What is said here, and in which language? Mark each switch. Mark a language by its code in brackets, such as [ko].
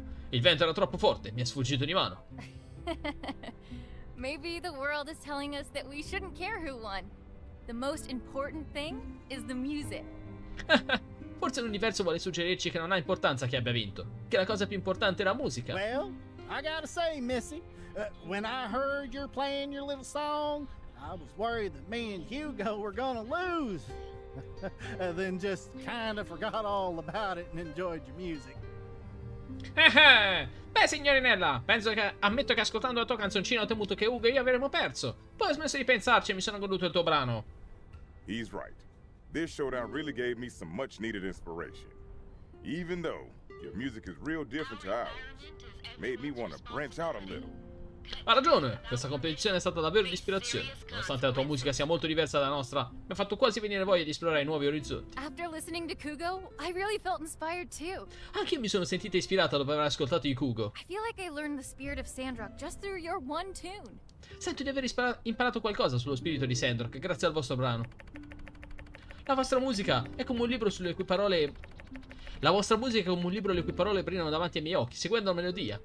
[it] Il vento era troppo forte, mi è sfuggito di mano. [en] Maybe the world is telling us that we shouldn't care who won. The most important thing is the music. [it] Forse l'universo vuole suggerirci che non ha importanza chi abbia vinto, che la cosa più importante è la musica. [en] Well, I gotta say, Missy, when I heard you're playing your little song, I was worried that me and Hugo were gonna lose. Then just kind of forgot all about it and enjoyed your music. [it] Beh, signorinella, penso che ammetto che ascoltando la tua canzoncina ho temuto che Hugo e io avremmo perso. Poi ho smesso di pensarci e mi sono goduto il tuo brano. [en] He's right. This showdown really gave me some much needed inspiration. Even though your music is real different to ours, made me want to branch out a little. [it] Ha ragione, questa competizione è stata davvero di ispirazione. Nonostante la tua musica sia molto diversa dalla nostra, mi ha fatto quasi venire voglia di esplorare nuovi orizzonti. [en] After listening to Kugo, I really felt inspired too. [it] Anche io mi sono sentita ispirata dopo aver ascoltato i Kugo. [en] I feel like I learned the spirit of Sandrock just through your one tune. [it] Sento di aver imparato qualcosa sullo spirito di Sandrock grazie al vostro brano. La vostra musica è come un libro sulle cui parole... La vostra musica è come un libro le cui parole brillano davanti ai miei occhi, seguendo la melodia.